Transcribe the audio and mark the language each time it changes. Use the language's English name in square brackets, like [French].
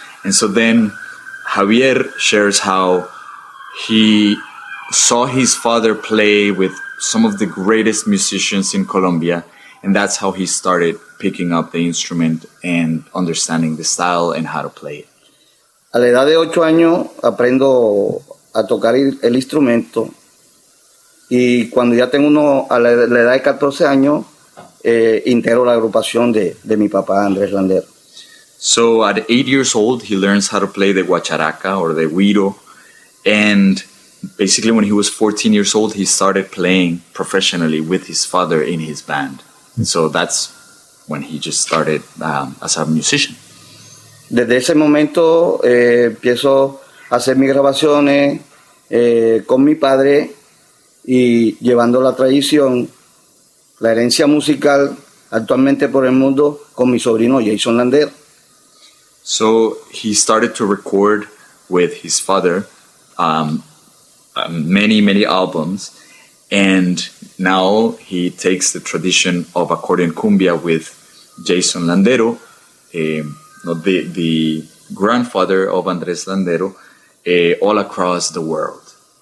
[English] And so then Javier shares how he saw his father play with some of the greatest musicians in Colombia, and that's how he started picking up the instrument and understanding the style and how to play it. [Spanish] A la edad de 8 años aprendo a tocar el instrumento, y cuando ya tengo la edad de 14 años integro la agrupación de mi papá Andrés Landero. [English] So at 8 years old he learns how to play the guacharaca or the güiro, and basically, when he was 14 years old, he started playing professionally with his father in his band. And so that's when he just started as a musician. [Spanish] Desde ese momento empiezo a hacer mis grabaciones con mi padre y llevando la tradición, la herencia musical actualmente por el mundo con mi sobrino Jason Landero. [English] So he started to record with his father many albums, and now he takes the tradition of accordion cumbia with Jason Landero, the grandfather of Andrés Landero, all across the world.